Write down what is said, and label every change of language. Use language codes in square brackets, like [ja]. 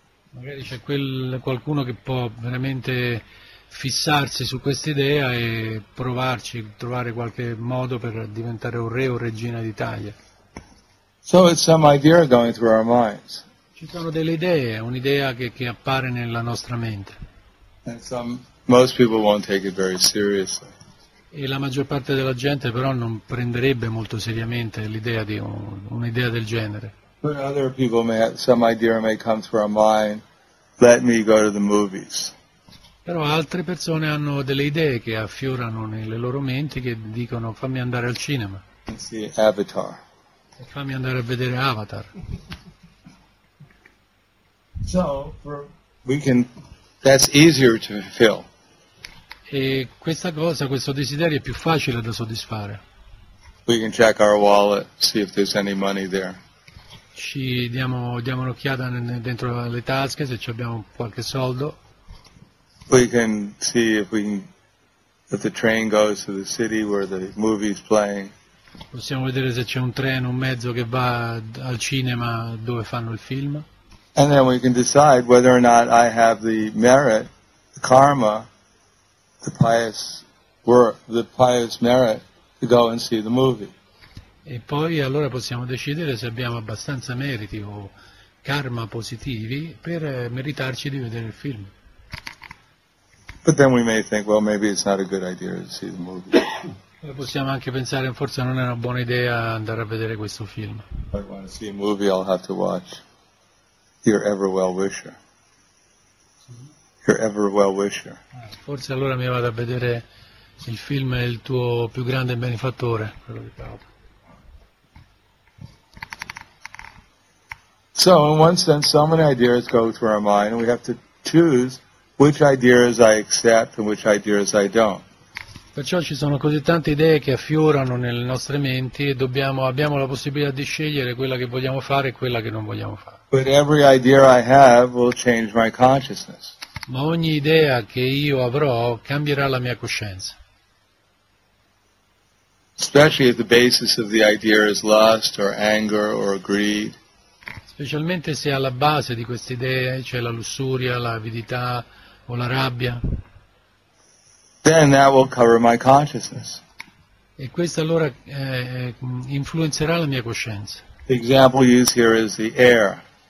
[it] Magari c'è qualcuno che può veramente fissarsi su questa idea e provarci, trovare qualche modo per diventare un re o regina d'Italia. [en] So it's some idea going through our minds. [it] Ci sono delle idee, un'idea che appare nella nostra mente. [en] And some, most people won't take it very seriously. [it] E la maggior parte della gente però non prenderebbe molto seriamente l'idea di un'idea del genere. [en] But other people may have, some idea may come through our mind, let me go to the movies. [it] Però altre persone hanno delle idee che affiorano nelle loro menti che dicono fammi andare al cinema. [en] And see Avatar. [it] E fammi andare a vedere Avatar. [en] So that's easier to fulfill. [it] E questa cosa, questo desiderio è più facile da soddisfare. [en] We can check our wallet, see if there's any money there. [it] Ci diamo un'occhiata dentro le tasche se ci abbiamo qualche soldo. [en] We can see if the train goes to the city where the movie is playing. [it] Possiamo vedere se c'è un treno, un mezzo che va al cinema dove fanno il film. [en] And then we can decide whether or not I have the merit, the karma, the pious work, the pious merit to go and see the movie. [it] E poi allora possiamo decidere se abbiamo abbastanza meriti o karma positivi per meritarci di vedere il film. [en] But then we may think, well, maybe it's not a good idea to see the movie. [it] E possiamo anche pensare, forse non è una buona idea andare a vedere questo film. [en] If I want to see a movie, I'll have to watch Your Ever Well Wisher. Your Ever Well Wisher. [it] Forse allora mi vado a vedere il film Il tuo più grande benefattore, quello di Paolo. [en] So in one sense so many ideas go through our mind and we have to choose which ideas I accept and which ideas I don't. [it] Perciò ci sono così tante idee che affiorano nelle nostre menti e abbiamo la possibilità di scegliere quella che vogliamo fare e quella che non vogliamo fare. [en] But every idea I have will change my consciousness. [it] Ma ogni idea che io avrò cambierà la mia coscienza. [en] Especially if the basis of the idea is lust or anger or greed. [it] Specialmente se alla base di queste idee c'è la lussuria, l'avidità o la rabbia. [en] Then that will cover my consciousness. [it] E questo allora influenzerà la mia coscienza. [en] The example used here is the air.